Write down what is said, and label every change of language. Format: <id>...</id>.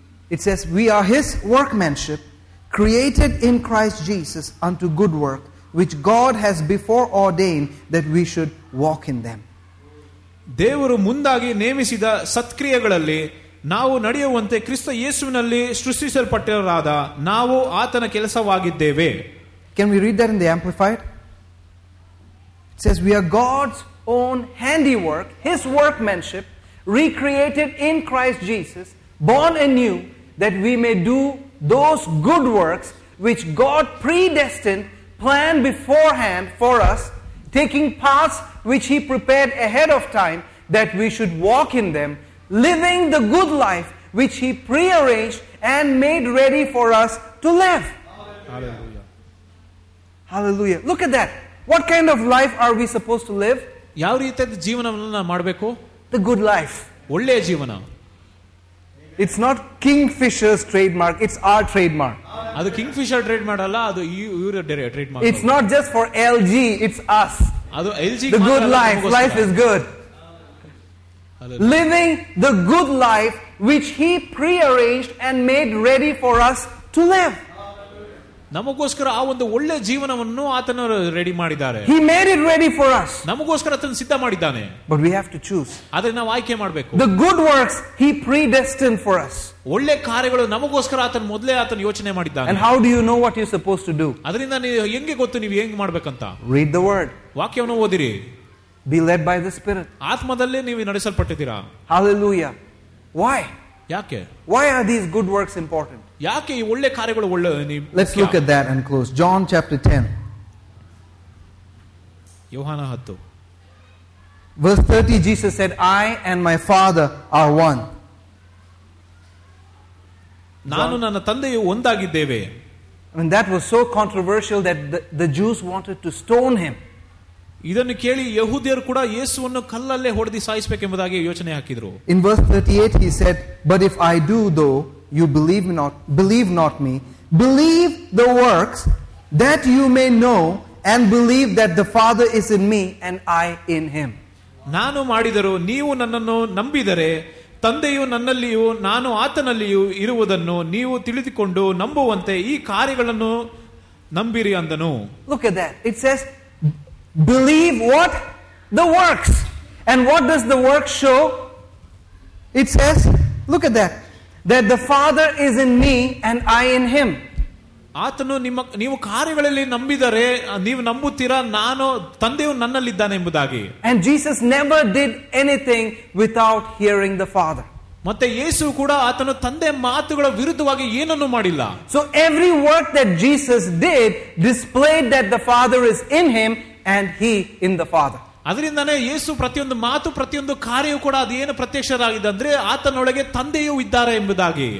<en>It says, we are his workmanship, created in Christ Jesus unto good work, which God has before ordained that we should walk in them.</en> <kn>ದೇವರು ಮುಂದಾಗಿ ನೇಮಿಸಿದ ಸತ್ಕ್ರಿಯೆಗಳಲ್ಲಿ ನಾವು ನಡೆಯುವಂತೆ ಕ್ರಿಸ್ತ ಯೇಸುವಿನಲ್ಲಿ ಸೃಷ್ಟಿಸಲ್ಪಟ್ಟವರಾದ ನಾವು ಆತನ ಕೆಲಸವಾಗಿದ್ದೇವೆ.</kn> <en>Can we read that in the Amplified? It says, we are God's own handiwork, his workmanship, recreated in Christ Jesus, born anew, that we may do those good works which God predestined, planned beforehand for us, taking paths which he prepared ahead of time that we should walk in them, living the good life which he prearranged and made ready for us to live. Hallelujah. Hallelujah. Look at that. What kind of life are we supposed to live?</en> <kn>ಯಾವ ರೀತಿಯ ಜೀವನವನ್ನು ನಾವು ಮಾಡಬೇಕು?</kn> <en>The good life.</en> <kn>ಒಳ್ಳೆಯ ಜೀವನ.</kn> <en>It's not Kingfisher's trademark, it's our trademark.</en> <kn>Adu Kingfisher trademark alla, adu ivra trademark.</kn> <en>It's not just for LG, it's us.</en> <kn>Adu LG</kn> <en>the good life, life is good. Living the good life which he prearranged and made ready for us to live.</en> <kn>ನಮಗೋಸ್ಕರ ಆ ಒಂದು ಒಳ್ಳೆ ಜೀವನವನ್ನು ಆತನ ready ಮಾಡಿದ್ದಾರೆ.</kn> <en>He made it ready for us.</en> <kn>ನಮಗೋಸ್ಕರ ಆತನ ಸಿದ್ಧ ಮಾಡಿದ್ದಾನೆ.</kn> <en>But we have to choose.</en> <kn>ಆದರೆ ನಾವು ಆಯ್ಕೆ ಮಾಡಬೇಕು.</kn> <en>The good works he predestined for us.</en> <kn>ಒಳ್ಳೆ ಕಾರ್ಯಗಳು ನಮಗೋಸ್ಕರ ಆತನ ಮೊದಲೇ ಆತನ ಯೋಚನೆ ಮಾಡಿದ್ದಾನೆ.</kn> <en>And how do you know what you're supposed to do?</en> <kn>ಅದರಿಂದ ನೀವು ಹೆಂಗೆ ಗೊತ್ತು ನೀವು ಹೆಂಗೆ ಮಾಡಬೇಕಂತ?</kn> <en>Read the word.</en> <kn>ವಾಕ್ಯವನ್ನು ಓದಿರಿ.</kn> <en>Be led by the spirit.</en> <kn>ಆತ್ಮದಲ್ಲಿ ನೀವು ನಡೆಸಲ್ಪಟ್ಟಿದ್ದೀರಾ.</kn> <en>Hallelujah. Why?</en> <kn>ಯಾಕೆ?</kn> <en>Why are these good works important? Let's look at that and close. John chapter 10.</en> <kn>Yohana 10.</kn> <en>Verse 30, Jesus said, I and my Father are one.</en> <kn>ನಾನು ನನ್ನ ತಂದೆಯು ಒಂದಾಗಿದ್ದೇವೆ.</kn> <en>And that was so controversial that the Jews wanted to stone him.</en> <kn>ಇದನ್ನು ಕೇಳಿ ಯಹೂದಿಯರು ಕೂಡ ಯೇಸುವನ್ನು ಕಲ್ಲಲ್ಲೇ ಹೊಡೆದು ಸಾಯಿಸಬೇಕೆಂಬುದಾಗಿ ಯೋಚನೆ ಹಾಕಿದ್ರು.</kn> <en>In verse 38 he said, but if I do though you believe not me, believe the works that you may know and believe that the Father is in me and I in him.</en> <kn>ನಾನು ಮಾಡಿದರು ನೀವು ನನ್ನನ್ನು ನಂಬಿದರೆ ತಂದೆಯು ನನ್ನಲ್ಲಿಯೂ ನಾನು ಆತನಲ್ಲಿಯೂ ಇರುವುದನ್ನು ನೀವು ತಿಳಿದುಕೊಂಡು ನಂಬುವಂತೆ ಈ ಕಾರ್ಯಗಳನ್ನು ನಂಬಿರಿ ಅಂದನು.</kn> <en>Look at that. It says believe what? The works. And what does the work show? It says, look at that. That the Father is in me and I in him.</en> <kn>ಆತನು ನಿಮ್ಮ ನೀವು ಕಾರ್ಯಗಳಲ್ಲಿ ನಂಬಿದರೆ ನೀವು ನಂಬುತ್ತೀರಾ ನಾನು ತಂದೆಯು ನನ್ನಲ್ಲಿದ್ದಾನೆ ಎಂಬುದಾಗಿ.</kn> <en>And Jesus never did anything without hearing the Father.</en> <kn>ಮತ್ತೆ ಯೇಸು ಕೂಡ ಆತನು ತಂದೆ ಮಾತುಗಳ ವಿರುದ್ಧವಾಗಿ ಏನನ್ನೂ ಮಾಡಿಲ್ಲ.</kn> <en>So every work that Jesus did displayed that the Father is in him and he in the Father.</en> <kn>ಅದರಿಂದನೇ ಯೇಸು ಪ್ರತಿಯೊಂದು ಮಾತು ಪ್ರತಿಯೊಂದು ಕಾರ್ಯವೂ ಕೂಡ ಅದೇನು ಪ್ರತ್ಯಕ್ಷರಾಗಿದೆ ಅಂದ್ರೆ ಆತನೊಳಗೆ ತಂದೆಯೂ ಇದ್ದಾರೆ ಎಂಬುದಾಗಿ.</kn>